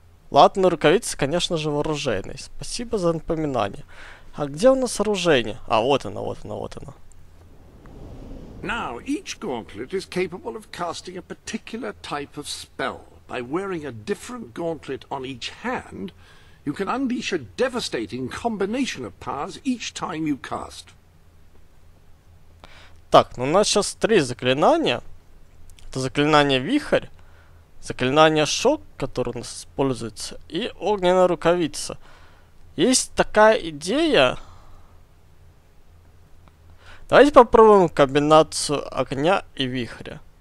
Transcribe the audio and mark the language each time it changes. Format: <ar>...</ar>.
<ru>Латные рукавицы, конечно же, вооружейные. Спасибо за напоминание. А где у нас оружие? А, вот оно, вот оно, вот оно.</ru> <en>Now, each gauntlet is capable of casting a particular type of spell. By wearing a different gauntlet on each hand, you can unleash a devastating combination of powers each time you cast.</en> <ru>Так, ну у нас сейчас три заклинания. Это заклинание вихрь, заклинание шок, которое у нас используется, и огненная рукавица. Есть такая идея. Давайте попробуем комбинацию огня и вихря.</ru>